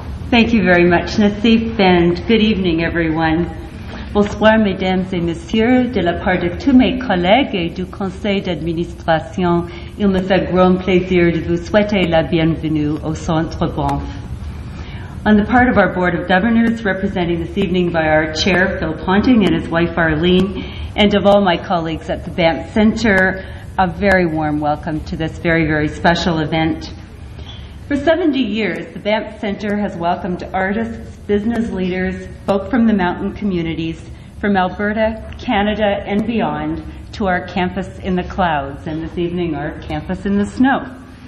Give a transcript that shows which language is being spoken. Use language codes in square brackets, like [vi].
[en] Thank you very much, Nassif, and good evening, everyone. [fr] Bonsoir, mesdames et messieurs, de la part de tous mes collègues et du conseil d'administration, il me fait grand plaisir de vous souhaiter la bienvenue au Centre Banff. [en] On the part of our Board of Governors, represented this evening by our Chair, Phil Ponting, and his wife, Arlene, and of all my colleagues at the Banff Centre, a very warm welcome to this very, very special event. For 70 years, the Banff Center has welcomed artists, business leaders, folk from the mountain communities, from Alberta, Canada, and beyond, to our campus in the clouds, and this evening our campus in the snow.